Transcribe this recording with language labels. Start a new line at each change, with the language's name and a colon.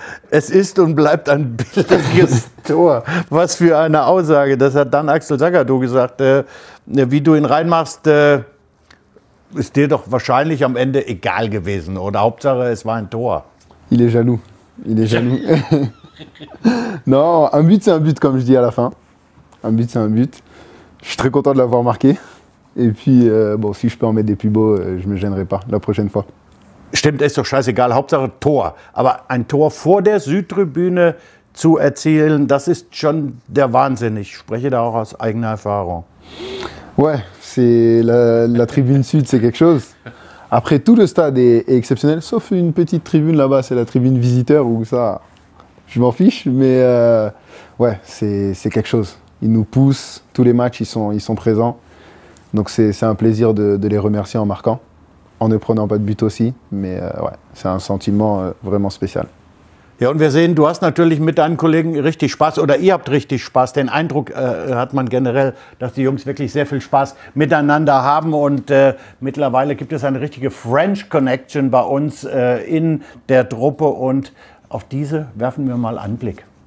German: Es ist und bleibt ein billiges Tor. Was für eine Aussage. Das hat dann Axel Sagadou gesagt. Wie du ihn reinmachst, ist dir doch wahrscheinlich am Ende egal gewesen. Oder Hauptsache, es war ein Tor.
French: Il est jaloux. Il est jaloux. Non, un but, c'est un but, comme je dis à la fin. Un but, c'est un but. Je suis très content de l'avoir marqué. Et puis, bon, si je peux en mettre des plus beaux, je ne me gênerai pas la prochaine fois.
German: Stimmt, ist doch scheißegal. Hauptsache Tor. Aber ein Tor vor der Südtribüne zu erzielen, das ist schon der Wahnsinn. Ich spreche da auch aus eigener Erfahrung.
French: Ouais, c'est la Tribüne Sud, c'est quelque chose. Après, tout le stade est exceptionnel, sauf une petite tribune là-bas, c'est la Tribüne Visiteur, ou ça, je m'en fiche. Mais ouais, c'est quelque chose. Ils nous poussent, tous les matchs, ils sont présents. Donc c'est un plaisir de les remercier en marquant. En ne prenant pas de but aussi, mais ouais, c'est un sentiment vraiment spécial.
German: Ja, und wir sehen, du hast natürlich mit deinen Kollegen richtig Spaß, oder ihr habt richtig Spaß. Den Eindruck hat man generell, dass die Jungs wirklich sehr viel Spaß miteinander haben. Und mittlerweile gibt es eine richtige French Connection bei uns in der Truppe. Und auf diese werfen wir mal einen Blick.